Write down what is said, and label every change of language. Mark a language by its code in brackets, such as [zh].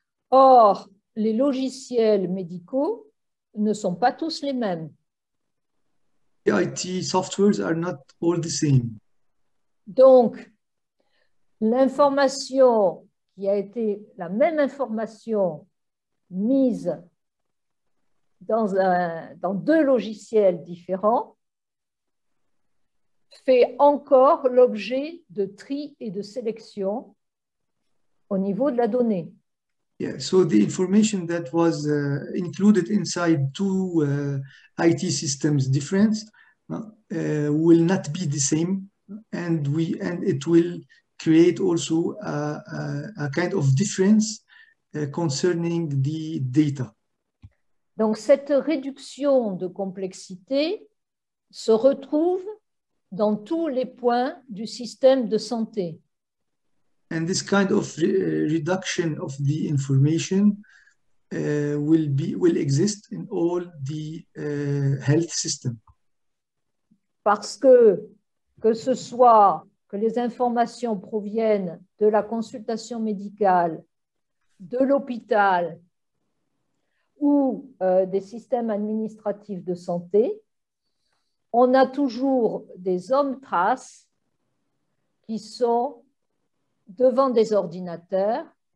[fr] Or, les logiciels médicaux ne sont pas tous les mêmes. [en] The IT softwares are not all the same. [fr] Donc, l'information qui a été la même information mise dans deux logiciels différents fait encore l'objet de tri et de sélection au niveau de la donnée. [en] Yeah, so the information that was included inside two IT systems different will not be the same, and it will create also a kind of difference concerning the data. [fr] Donc cette réduction de complexité se retrouve dans tous les points du système de santé. [en] And this kind of reduction of the information will exist in all the health system. [fr] Parce que ce soit que les informations proviennent de la consultation médicale, de l'hôpital ou des systèmes administratifs de santé, on a toujours des hommes traces qui sont devant des ordinateurs